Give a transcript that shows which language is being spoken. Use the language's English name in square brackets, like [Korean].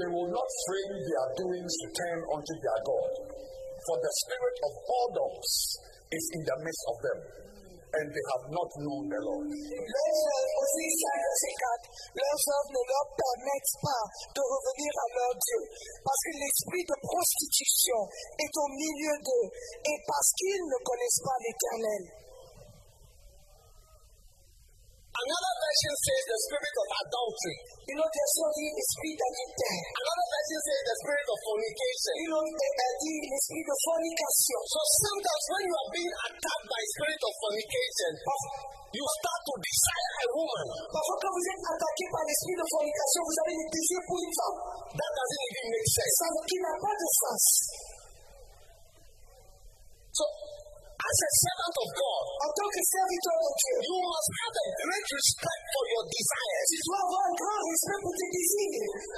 [English] They will not frame their doings to turn unto their God. For the spirit of whoredoms is in the midst of them, and they have not known the Lord. [French] Leurs œuvres ne leur permettent pas de revenir à leur Dieu, parce que l'esprit de prostitution est au milieu d'eux, et parce qu'ils ne connaissent pas l'Éternel. [English] Another version says the spirit of adultery. You know, there's only the spirit of intent. Another version says the spirit of fornication. You know, the spirit of fornication. So sometimes when you are being attacked by spirit of fornication, you start to desire a woman. [French] Parfois quand vous êtes attaqué par l'esprit de fornication, vous avez le désir pour une femme. [English] That doesn't even make sense. [French] Ça qui n'a pas de sens. [English] So, as a servant of God, [French] en tant que serviteur de Dieu, [English] you must have a great respect for your desires. [French] Tu dois avoir un grand respect pour tes désirs.